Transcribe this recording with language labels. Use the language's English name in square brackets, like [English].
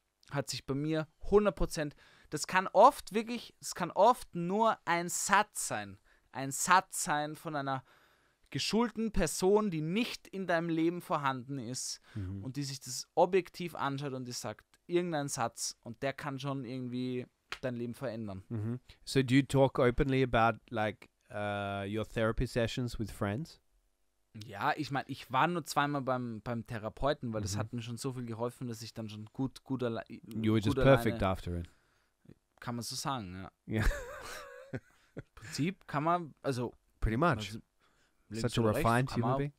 [German] Hat sich bei mir 100%. Das kann oft nur ein Satz sein. Ein Satz sein von einer geschulten Person, die nicht in deinem Leben vorhanden ist und die sich das objektiv anschaut und die sagt, irgendein Satz, und der kann schon irgendwie dein Leben verändern. Mm-hmm. [English] So do you talk openly about like your therapy sessions with friends? [German] Ja, ich meine, ich war nur zweimal beim Therapeuten, weil das hat mir schon so viel geholfen, dass ich dann schon gut alleine... [English] You were just perfect after it. [German] Kann man so sagen, ja. [English] Yeah. [German] Im Prinzip kann man, also... [English] Pretty much. Such a refined human being.